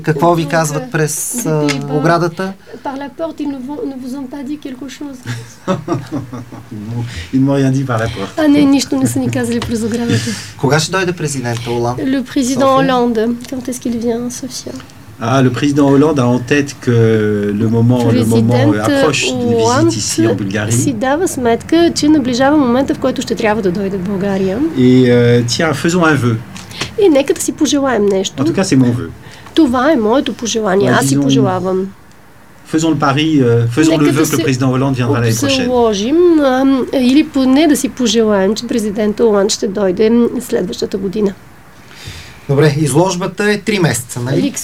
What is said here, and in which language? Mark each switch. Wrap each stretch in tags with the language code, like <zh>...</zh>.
<bg>Какво ви казват през оградата?</bg> <fr>Par la porte, ils ne vous ont pas dit quelque chose. Ils ne m'ont rien dit par la porte.</fr> <bg>А не, нищо не са ни казали през оградата. Кога ще дойде през</bg> <fr>Le président Hollande, quand est-ce qu'il vient, Sophia? Ah, le président Hollande a en tête que le moment approche d'une visite ici en Bulgarie.</fr> <bg>Си дава сметка, че наближава момента, в който ще трябва да дойде в България.</bg> <fr>Et tiens, faisons un vœu.</fr> <bg>И нека да си пожелаем нещо.</bg> <fr>En tout cas, c'est mon vœu.</fr> <bg>Това е моето пожелание. Аз си пожелавам.</bg> <fr>Faisons le pari, faisons le vœu que le président Hollande viendra l'année prochaine.</fr> <bg>Положим, или поне да си пожелаем, че президент Оланд ще дойде следващата година. Добре, изложбата е 3 месеца, нали?</bg>